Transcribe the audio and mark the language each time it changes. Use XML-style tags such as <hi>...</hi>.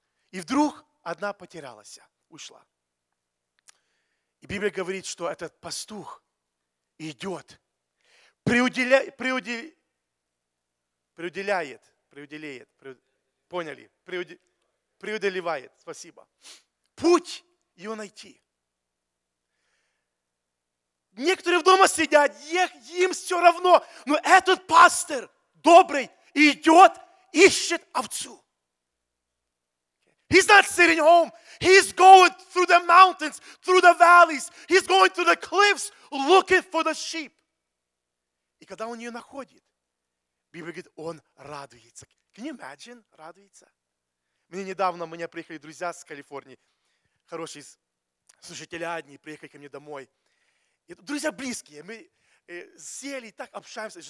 <ru>И вдруг одна потерялась, ушла. И Библия говорит, что этот пастух идет, преодолевает, спасибо. Путь ее найти. Некоторые дома сидят, им все равно. Но этот пастор добрый идет, ищет овцу.</ru> <en>He's not sitting home. He's going through the mountains, through the valleys. He's going through the cliffs looking for the sheep.</en> <ru>И когда он ее находит, Библия говорит, он радуется.</ru> <en>Can you imagine?</en> <ru>Радуется. Мне недавно, у меня приехали друзья с Калифорнии. Хорошие служители одни приехали ко мне домой. Друзья близкие, мы сели и так общаемся.</ru>